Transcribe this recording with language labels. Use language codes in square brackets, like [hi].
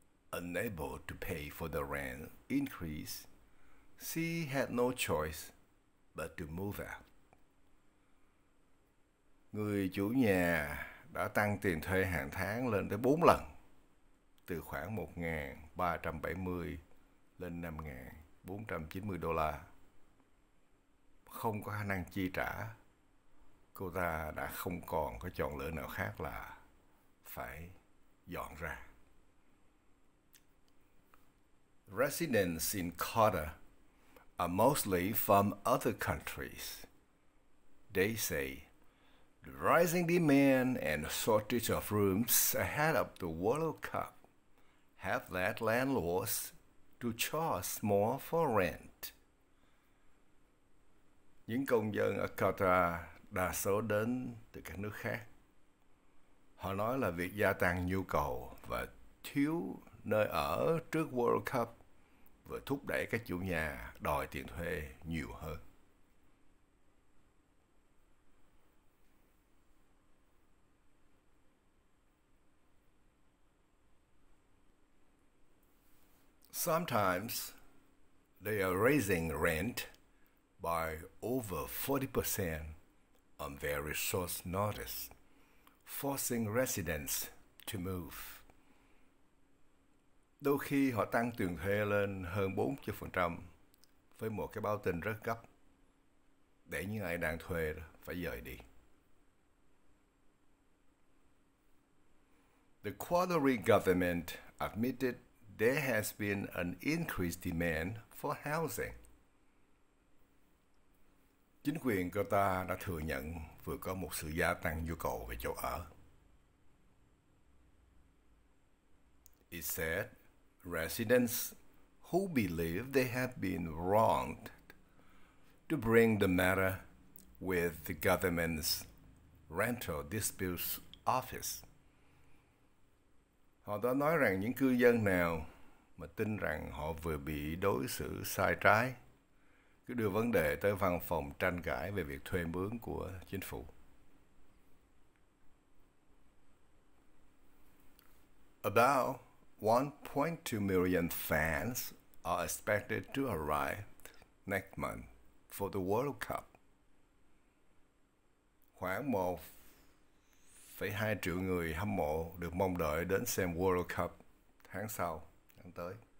[en] Unable to pay for the rent increase, she had no choice but to move out. [vi] Người chủ nhà đã tăng tiền thuê hàng tháng lên tới 4 lần, từ khoảng 1,370 lên $5,490. Không có khả năng chi trả, cô ta đã không còn có chọn lựa nào khác là phải dọn ra. [en] Residents in Qatar are mostly from other countries. They say the rising demand and shortage of rooms ahead of the World Cup have led landlords to charge more for rent. [vi] Những công dân ở Qatar đa số đến từ các nước khác. Họ nói là việc gia tăng nhu cầu và thiếu nơi ở trước World Cup vừa thúc đẩy các chủ nhà đòi tiền thuê nhiều hơn. [en] Sometimes they are raising rent by over 40% on very short notice, forcing residents to move. [vi] Đôi khi họ tăng tiền thuê lên hơn 40% với một cái báo tin rất gấp để những ai đang thuê phải rời đi. [en] The Qatari government admitted there has been an increased demand for housing. [vi] Chính quyền Qatar đã thừa nhận vừa có một sự gia tăng nhu cầu về chỗ ở. [en] It said residents who believe they have been wronged to bring the matter with the government's rental disputes office. [vi] Họ đã nói rằng những cư dân nào mà tin rằng họ vừa bị đối xử sai trái đưa vấn đề tới văn phòng tranh cãi về việc thuê mướn của chính phủ. [en] About 1.2 million fans are expected to arrive next month for the World Cup. [vi] Khoảng 1,2 triệu người hâm mộ được mong đợi đến xem World Cup tháng sau, tháng tới.